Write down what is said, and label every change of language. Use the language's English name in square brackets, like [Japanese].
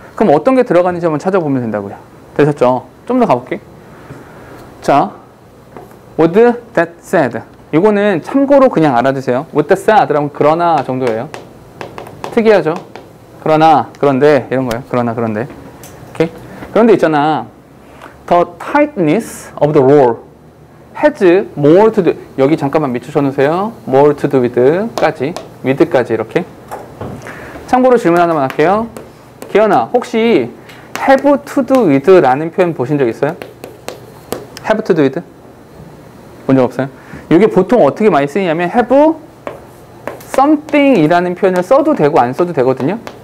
[Korean] 그럼 어떤 게 들어가는지 한번 찾아보면 된다고요. 되셨죠? 좀 더 가볼게. 자, [English] would that said. [Korean] 이거는 참고로 그냥 알아두세요. [English] would that said [Korean] 라면 그러나 정도예요. 특이하죠? 그러나, 그런데, 이런 거예요. 그러나, 그런데. 오케이? 그런데 있잖아. [English] The tightness of the roll has more to do. [Korean] 여기 잠깐만 밑줄쳐 놓으세요. [English] More to do with까지. with까지, [Korean] 이렇게. 참고로 질문 하나만 할게요. 기현아, 혹시 [English] have to do with [Korean] 라는 표현 보신 적 있어요? [English] have to do with? [Korean] 본 적 없어요? 이게 보통 어떻게 많이 쓰이냐면 have something이라는 표현을 써도 되고 안 써도 되거든요.